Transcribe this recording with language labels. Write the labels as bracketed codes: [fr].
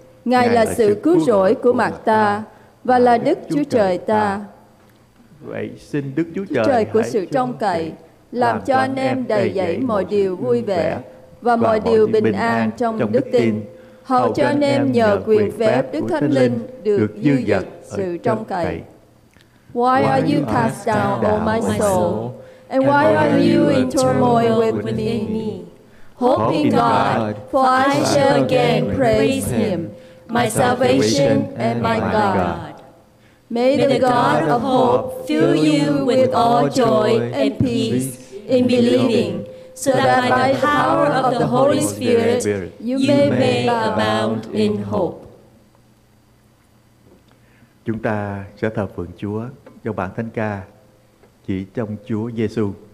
[vi] Ngài là sự cứu rỗi của mặt ta và là Đức Chúa Trời ta. Vậy xin Đức Chúa Trời của sự trông cậy làm cho anh em đầy dẫy mọi điều vui vẻ và mọi điều bình an trong đức tin, hầu cho anh em nhờ quyền phép Đức Thánh Linh được dư dật sự trông cậy. [en] Why are you cast down, O my soul? And why are you in turmoil within me? Hope in God, for I shall again praise Him, my salvation and my God. May the God of hope fill you with all joy and peace in believing, so that by the power of the Holy Spirit, you may abound in hope. [vi] Chúng ta sẽ thờ phượng Chúa trong bản thánh ca Chỉ Trong Chúa Giêsu.